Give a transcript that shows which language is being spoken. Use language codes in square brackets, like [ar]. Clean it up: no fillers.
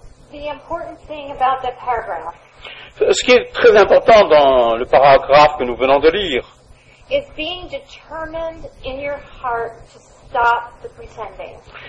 [en] The important thing about the paragraph, [fr] ce qui est très important dans le paragraphe que nous venons de lire, [en] is being determined in your heart to stop the pretending.